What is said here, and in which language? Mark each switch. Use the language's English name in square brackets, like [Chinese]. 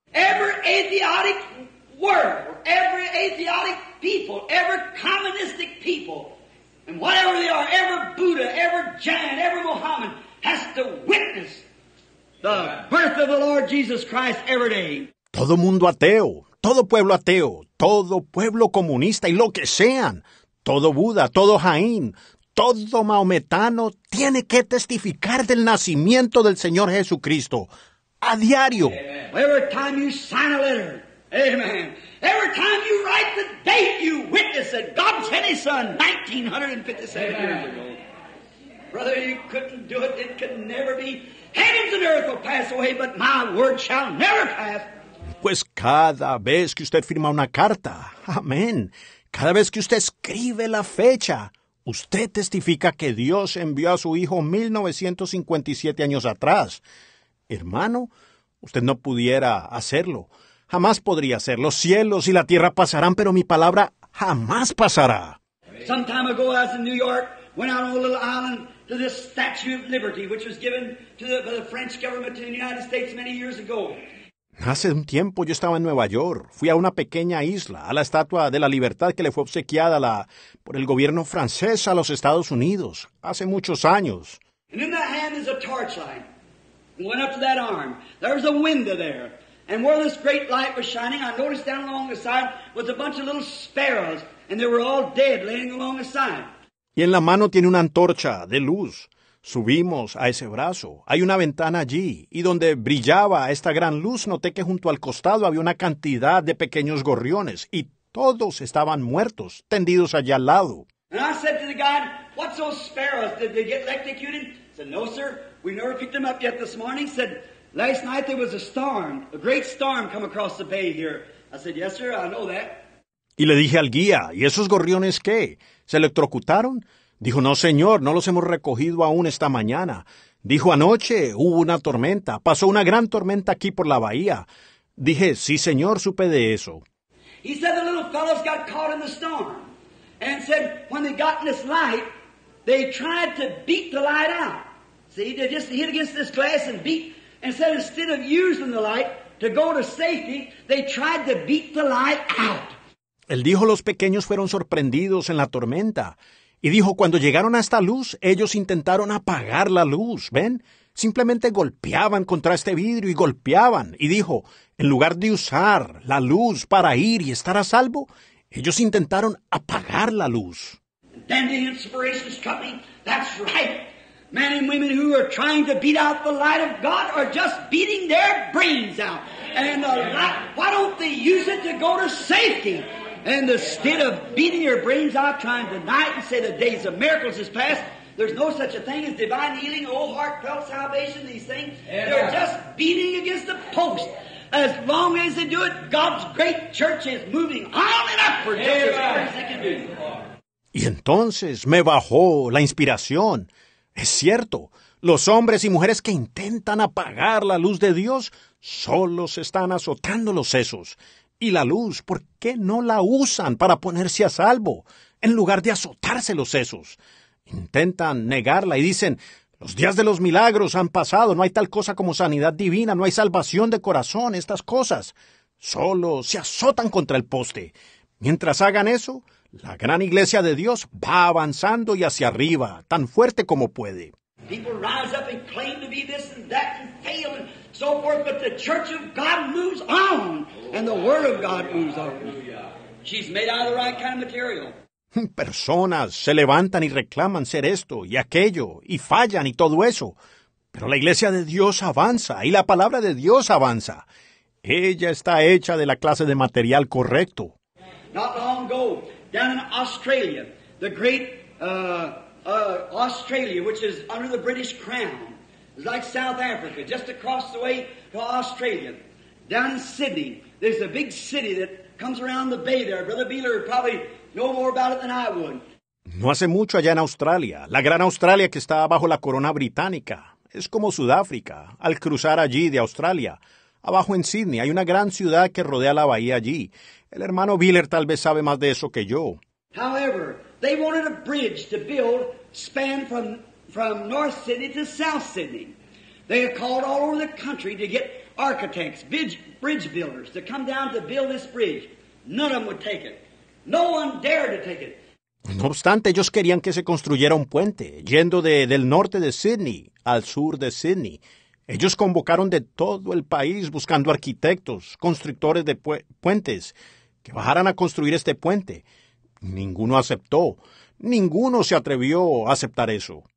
[English] Every idiotic world, every idiotic people, every communistic people, and whatever they are, every Buddha, every Jain, every Mohammed, has to witness the birth of the Lord Jesus Christ every day. [Spanish] Todo mundo ateo, todo pueblo comunista y lo que sean, todo Buda, todo Jain, todo maometano tiene que testificar del nacimiento del Señor Jesucristo a diario. [English] Amen. Every time you sign a letter, amen. Every time you write the date, you witness that God sent his son 1957 years ago. Brother, you couldn't do it. It could never be. Heavens and earth will pass away, but my word shall never pass. [Spanish] Pues cada vez que usted firma una carta, amén. Cada vez que usted escribe la fecha, usted testifica que Dios envió a su hijo 1957 años atrás. Hermano, usted no pudiera hacerlo. Jamás podría hacerlo. Los cielos y la tierra pasarán, pero mi palabra jamás pasará. [English] Some time ago, I was in New York, went out on a little island to the Statue of Liberty, which was given to the French government in the United States many years ago. [Spanish] Hace un tiempo yo estaba en Nueva York. Fui a una pequeña isla, a la Estatua de la Libertad que le fue obsequiada por el gobierno francés a los Estados Unidos hace muchos años. [English] And in that hand is a torchlight. Went up to that arm. There was a window there. And where this great light was shining, I noticed down along the side was a bunch of little sparrows, and they were all dead laying along the side. [Spanish] Y en la mano tiene una antorcha de luz. Subimos a ese brazo. Hay una ventana allí, y donde brillaba esta gran luz, noté que junto al costado había una cantidad de pequeños gorriones, y todos estaban muertos, tendidos allá al lado. [English] And I said to the guide, "What's those sparrows? Did they get electrocuted?" He said, "No, sir. We never picked them up yet this morning." He said, "Last night there was a storm, a great storm come across the bay here." I said, "Yes, sir, I know that." [Spanish] Y le dije al guía, "¿Y esos gorriones qué? ¿Se electrocutaron?" Dijo, "No, señor, no los hemos recogido aún esta mañana." Dijo, "Anoche hubo una tormenta. Pasó una gran tormenta aquí por la bahía." Dije, "Sí, señor, supe de eso." [English] He said the little fellows got caught in the storm. And said, when they got in this light, they tried to beat the light out. See, they just hit against this glass and beat. And said, instead of using the light to go to safety, they tried to beat the light out. [Spanish] Él dijo, los pequeños fueron sorprendidos en la tormenta. Y dijo, cuando llegaron a esta luz, ellos intentaron apagar la luz, ¿ven? Simplemente golpeaban contra este vidrio y golpeaban. Y dijo, en lugar de usar la luz para ir y estar a salvo, ellos intentaron apagar la luz. [English] Then the inspiration's coming. That's right. Men and women who are trying to beat out the light of God are just beating their brains out. And the light, why don't they use it to go to safety? And instead of beating your brains out trying to deny it and say the days of miracles is past, there's no such a thing as divine healing, old heartfelt salvation, these things. Yeah. They're just beating against the post. As long as they do it, God's great church is moving on and upward just as far as they can do. [Spanish] Y entonces me bajó la inspiración. Es cierto, los hombres y mujeres que intentan apagar la luz de Dios solo se están azotando los sesos. Y la luz, ¿por qué no la usan para ponerse a salvo en lugar de azotarse los sesos? Intentan negarla y dicen, los días de los milagros han pasado, no hay tal cosa como sanidad divina, no hay salvación de corazón, estas cosas. Solo se azotan contra el poste. Mientras hagan eso, la gran iglesia de Dios va avanzando y hacia arriba, tan fuerte como puede. [English] People rise up and claim to be this and that and fail and so forth, but the church of God moves on and the word of God moves on. She's made out of the right kind of material. [Spanish] Personas se levantan y reclaman ser esto y aquello y fallan y todo eso. Pero la iglesia de Dios avanza y la palabra de Dios avanza. Ella está hecha de la clase de material correcto. [English] Not long ago, down in Australia, the great Australia, which is under the British crown, like South Africa, just across the way to Australia. Down in Sydney, there's a big city that comes around the bay there. Brother Beeler probably know more about it than I would. [Spanish] No hace mucho allá en Australia, la gran Australia que está bajo la corona británica. Es como Sudáfrica, al cruzar allí de Australia. Abajo en Sydney hay una gran ciudad que rodea la bahía allí. El hermano Beeler tal vez sabe más de eso que yo. [English] However, they wanted a bridge to build span from North Sydney to South Sydney. They had called all over the country to get architects, bridge builders, to come down to build this bridge. None of them would take it. No one dared to take it. [Spanish] No obstante, ellos querían que se construyera un puente, yendo del norte de Sydney al sur de Sydney. Ellos convocaron de todo el país buscando arquitectos, constructores de puentes, que bajaran a construir este puente. Ninguno aceptó. Ninguno se atrevió a aceptar eso.